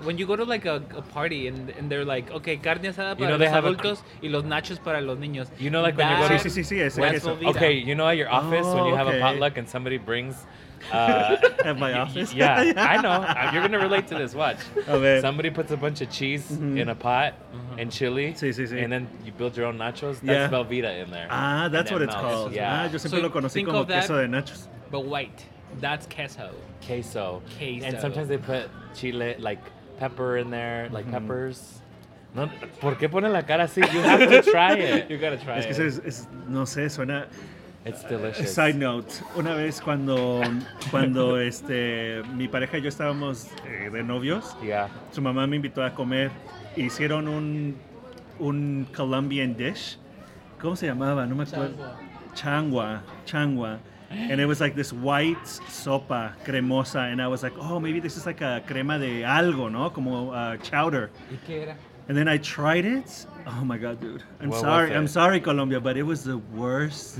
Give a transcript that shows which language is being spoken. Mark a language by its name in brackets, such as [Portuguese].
[English] When you go to like a party and they're like, okay, [Spanish] carne asada para [English] you know [Spanish] los adultos y los nachos para los niños. [English] You know like when you go to... [Spanish] Sí, es eso. [English] Okay, you know at your office when you have a potluck and somebody brings... at my office. Yeah, I know. You're gonna relate to this. Watch. Oh, man. Somebody puts a bunch of cheese in a pot and chili. [Spanish] Sí. [English] And then you build your own nachos. That's Velveeta in there. Ah, that's what it's called. Yeah. [Spanish] Yo siempre lo conocí como queso de nachos. [English] But white. That's queso. Queso. Queso. And sometimes they put chile, like pepper in there, like peppers. [Spanish] No, ¿por qué ponen la cara así? [English] You have to try it. You gotta try it. [Spanish] Es que eso es, no sé, suena. [English] It's delicious. [Spanish] Side note, una vez cuando mi pareja y yo estábamos de novios, su mamá me invitó a comer, hicieron un [English] Colombian dish. [Spanish] ¿Cómo se llamaba? No me acuerdo. Changua. [English] And it was like this white [Spanish] sopa cremosa, [English] and I was like, oh, maybe this is like a [Spanish] crema de algo, ¿no? Como chowder. ¿Y qué era? [English] And then I tried it. Oh my God, dude. I'm sorry, Colombia, but it was the worst.